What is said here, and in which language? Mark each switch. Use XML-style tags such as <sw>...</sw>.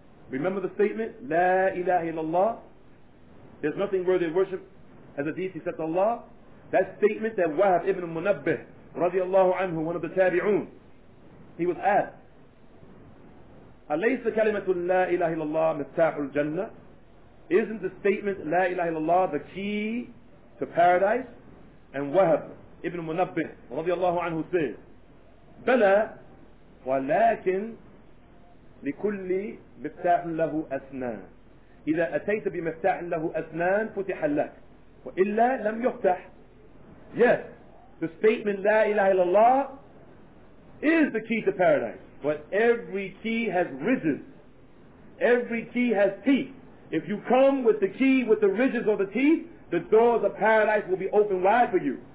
<en>Remember the statement, La ilaha illallah. There's nothing worthy of worship as a deity except Allah. That statement that Wahab ibn Munabbih, radiallahu anhu, one of the tabi'un, he was asked,</en> <ar>Alaysa kalimatul La ilaha illallah miftahul jannah?</ar> <en>Isn't the statement La ilaha illallah the key to paradise? And Wahab ibn Munabbih, radiallahu anhu, said,</en> <ar>Bala, walakin, لكل مفتاح له أسنان إذا أتيت بمفتاح له أسنان فتح لك وإلا لم يفتح.</ar> <en>Yes, the statement La ilaha illallah is the key to paradise, but every key has ridges, every key has teeth. If you come with the key with the ridges or the teeth, the doors of paradise will be open wide for you.</en>